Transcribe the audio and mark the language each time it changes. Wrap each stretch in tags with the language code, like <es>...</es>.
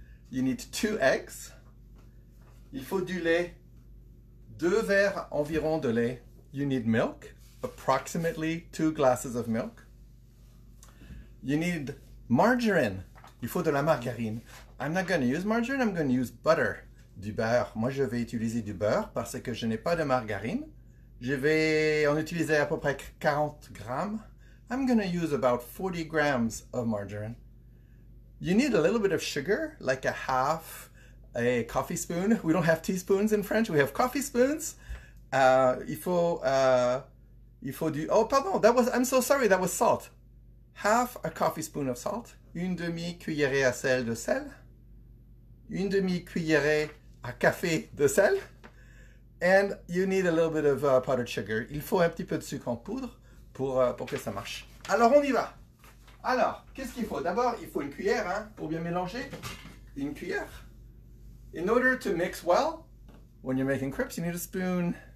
<en>You need two eggs.</en> <fr>Il faut du lait. Deux verres environ de lait.</fr> <en>You need milk, approximately two glasses of milk. You need margarine.</en> <fr>Il faut de la margarine.</fr> <en>I'm not going to use margarine, I'm going to use butter.</en> <fr>Du beurre. Moi, je vais utiliser du beurre parce que je n'ai pas de margarine. Je vais en utiliser à peu près 40 grammes.</fr> <en>I'm going to use about 40 grams of margarine. You need a little bit of sugar, like a half a coffee spoon. We don't have teaspoons in French, we have coffee spoons.</en> <fr>Il faut du.</fr> <en>Oh, pardon, that was. I'm so sorry, that was salt. Half a coffee spoon of salt.</en> <fr>Une demi cuillerée à sel de sel. Une demi cuillerée à café de sel.</fr> <en>And you need a little bit of powdered sugar.</en> <fr>Il faut un petit peu de sucre en poudre pour que ça marche. Alors on y va. Alors, qu'est-ce qu'il faut? D'abord, il faut une cuillère hein, pour bien mélanger. Une cuillère.</fr> <en>In order to mix well, when you're making crepes, you need a spoon.</en>